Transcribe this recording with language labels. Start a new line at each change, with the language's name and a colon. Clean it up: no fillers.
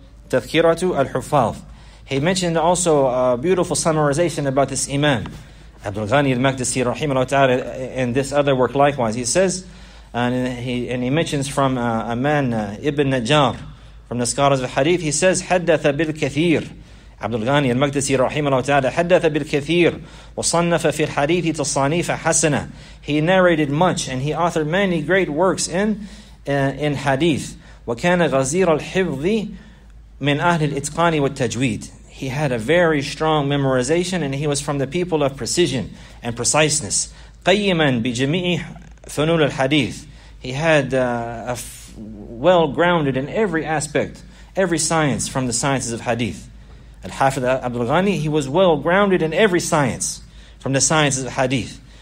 English: Tathkiratu al-Huffaz. He mentioned also a beautiful summarization about this imam, Abdul Ghani al-Maqdisi, rahimahullah ta'ala, in this other work likewise. He says, and he mentions from a man, Ibn Najjar, from the scholars of hadith, he says,
Arabic: حدث بالكثير. Abdul Ghani al-Maqdisi rahimahullah ta'ala, حدث بالكثير وصنف في الحديث تصانيف حسنة.
English: He narrated much and he authored many great works in hadith.
Arabic: وكان غزير الحفظ من أهل الإتقان والتجويد.
English: He had a very strong memorization and he was from the people of precision and preciseness.
Arabic: قيما بجميع فنون الحديث.
English: He had well-grounded in every aspect, every science from the sciences of hadith. Al-Hafidh Abdul Ghani, he was well-grounded in every science from the sciences of hadith.